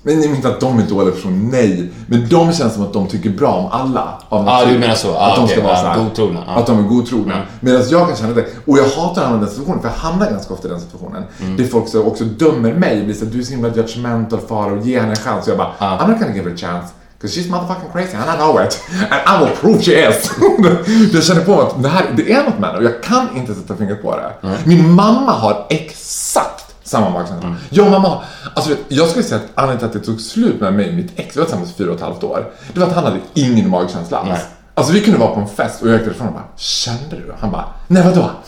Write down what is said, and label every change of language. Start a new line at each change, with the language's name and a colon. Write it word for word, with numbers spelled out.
Swedish: Men jag menar inte att de är dåliga personer, nej, men de känns som att de tycker bra om alla av natur. Ja, ah, du menar så. Ah, att de
English: okay,
Swedish: ska vara ah, så här, godtrogna. Ah. Att de är godtrogna. Mm. Medan jag kan känna det, och jag hatar att hamna i den situationen, för jag hamnar ganska ofta i den situationen. Mm. Det är folk som också dömer mig, blir så att du är så himla judgmental, far, och ger henne en chans, och jag bara, ah.
English: I'm not gonna give her a chance. Because she's motherfucking crazy and I know it. And I will prove she is.
Swedish: Jag känner på att det, här, det är något med det, och jag kan inte sätta fingret på det. Mm. Min mamma har exakt samma magkänsla. Mm. Jag och mamma, alltså jag skulle säga att anledningen till att det tog slut med mig och mitt ex, vi var tillsammans fyra och ett halvt år, det var att han hade ingen magkänsla alls. Mm. Alltså vi kunde vara på en fest och jag gick ifrån och bara, kände du? Han bara, nej vadå?